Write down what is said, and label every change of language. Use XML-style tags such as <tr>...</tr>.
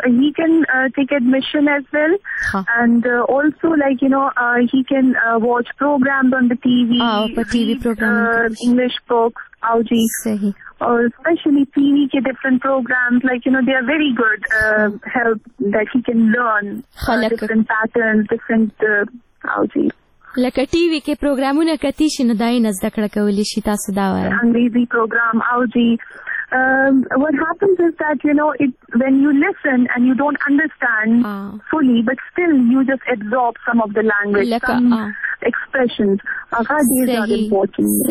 <en>he can take admission as well and also like you know he can watch programme on the TV English books او جی</en> <ur>صحیح</ur> <en>اور especially TV کے different programme like you know they are very good help that he can learn different pattern different او جی</en> <ps>لکه ټی وی کې پروګرامونه کتی شي نو دای نه زده کړه کولی شي تاسو دا وایي انګریزي پروګرام او جی</ps> <en>what happens is that you know it when you listen and you don't understand fully but still you just absorb some of the language like, some expressions aga these are important</en>